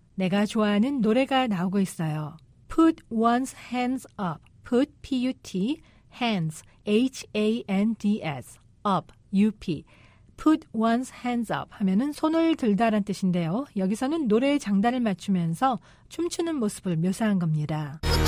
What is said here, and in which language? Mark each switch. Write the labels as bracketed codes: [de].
[ko] 내가 좋아하는 노래가 나오고 있어요. [en] Put one's hands up. Put, P-U-T, hands, H-A-N-D-S, up, U-P. [ko] Put one's hands up 하면은 손을 들다란 뜻인데요. 여기서는 노래의 장단을 맞추면서 춤추는 모습을 묘사한 겁니다.